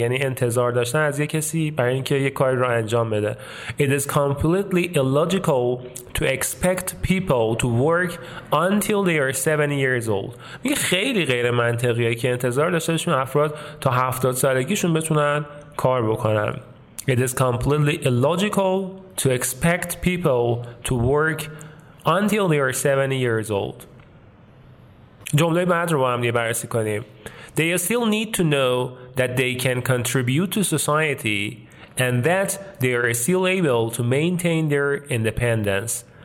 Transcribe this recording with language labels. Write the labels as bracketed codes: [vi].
[fa] یعنی انتظار داشتن از یک کسی برای اینکه یک کاری را انجام بده. [en] It is completely illogical to expect people to work until they are 70 years old. [fa] میگه خیلی غیر منطقیه که انتظار داشته باشیم افراد تا 70 سالگیشون بتونن کار بکنن. [en] It is completely illogical to expect people to work until they are 70 years old. [fa] جمله بعد رو با هم دیگه بررسی کنیم. [en] They still need to know that they can contribute to society and that they are still able to maintain their independence.